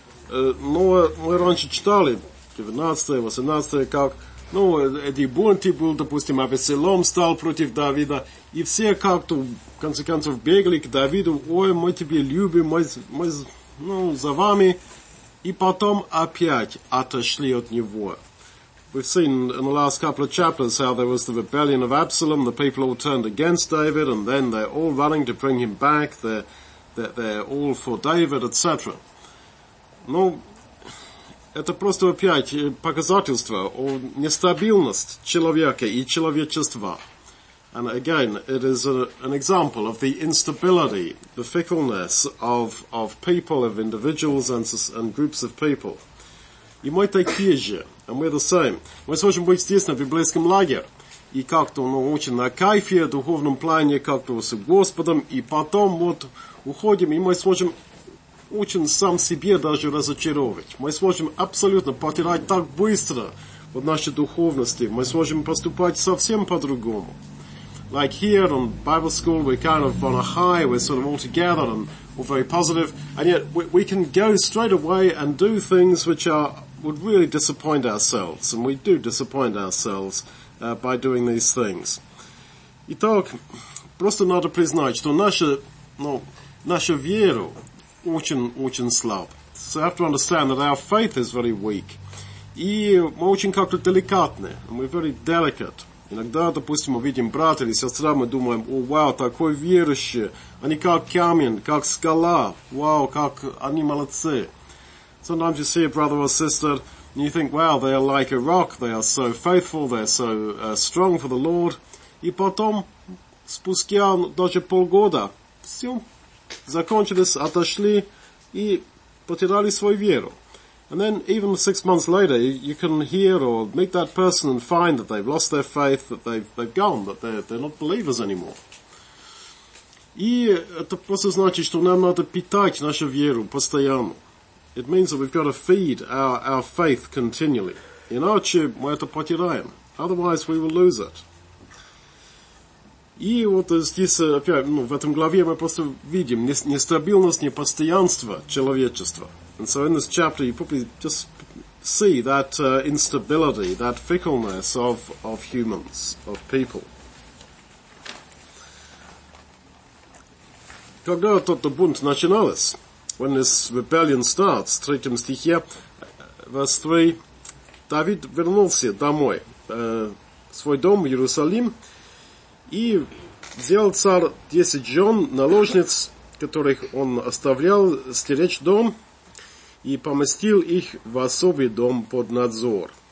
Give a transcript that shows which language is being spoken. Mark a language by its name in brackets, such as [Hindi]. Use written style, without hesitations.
[Russian] Но мы раньше читали, 19-е, 18-е, как, ну, эти бунты были, допустим, Авессалом стал против Давида, и все как-то, в конце концов, бегли к Давиду, ой, мы тебя любим, мы ну, за вами, и потом опять отошли от него. [English] We've seen in the last couple of chapters how there was the rebellion of Absalom, the people all turned against David, and then they're all running to bring him back, they're all for David, etc. [Russian] Ну, это просто опять показательство о нестабильности человека и человечества. [English] And again, it is an example of the instability, the fickleness of people, of individuals and groups of people. [Russian] И мы такие же, [English] and we're the same. [Russian] Мы сможем быть здесь, на библейском лагере, и как-то, ну, очень на кайфе, в духовном плане, как-то с Господом, и потом вот уходим, и мы сможем очень сам себе даже разочаровывать. Мы сможем абсолютно потерять так быстро вот наши духовности, мы сможем поступать совсем по-другому. [English] Like here in Bible school, we're kind of on a high, we're sort of all together and we're very positive, and yet we can go straight away and do things which are would really disappoint ourselves, and we do disappoint ourselves by doing these things. [Russian] Итак, просто надо признать, что наша вера очень-очень слаб. [English] So we have to understand that our faith is very weak. [Russian] И мы очень как-то деликатны, [English] and we're very delicate. [Russian] Иногда, допустим, мы видим брата или сестра, мы думаем, о, вау, такой верующий, они как камень, как скала, вау, как они молодцы. [English] Sometimes you see a brother or sister, and you think, wow, they are like a rock, they are so faithful, they are so strong for the Lord. [Russian] И потом, спустя даже полгода, все, закончились, отошли и потеряли свою веру. [English] And then even 6 months later, you can hear or meet that person and find that they've lost their faith, that they've gone, that they're not believers anymore. [Russian] И это просто значит, что нам надо питать нашу веру постоянно. [English] It means that we've got to feed our faith continually. [Russian] Иначе мы это потеряем. [English] Otherwise we will lose it. [Russian] И вот здесь, опять, ну, в этом главе мы просто видим нестабильность, непостоянство человечества. [English] And so in this chapter you probably just see that instability, that fickleness of humans, of people. [Russian] Когда тот бунт начинался, [English] when this rebellion starts, [Russian] 3 стихе, [English] verse 3, [Russian] Давид вернулся домой, свой дом в Иерусалим, и взял царь 10 жен, наложниц, которых он оставлял стеречь дом, и поместил их в особый дом под надзор.